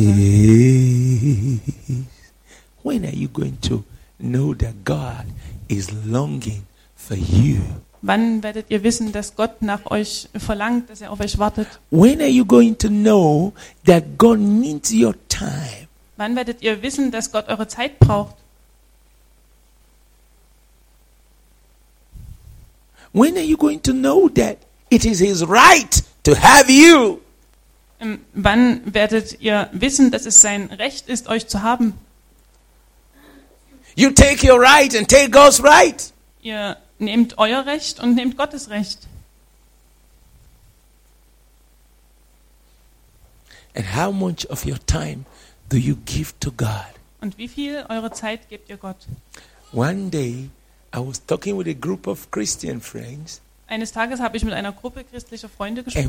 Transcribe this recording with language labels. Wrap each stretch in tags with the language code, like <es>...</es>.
<en>When are you going to know that God is longing for you?</en> <de>Wann werdet ihr wissen, dass Gott nach euch verlangt, dass er auf euch wartet?</de> <en>When are you going to know that God needs your time?</en> <de>Wann werdet ihr wissen, dass Gott eure Zeit braucht?</de> <en>When are you going to know that it is his right to have you?</en> <de>Wann werdet ihr wissen, dass es sein Recht ist, euch zu haben?</de> <en>You take your right and take God's right.</en> <de>Ihr nehmt euer Recht und nehmt Gottes Recht.</de> <en>And how much of your time do you give to God?</en> <de>Und wie viel eure Zeit gebt ihr Gott?</de> <en>One day I was talking with a group of Christian friends.</en> <de>Eines Tages habe ich mit einer Gruppe christlicher Freunde gesprochen.</de>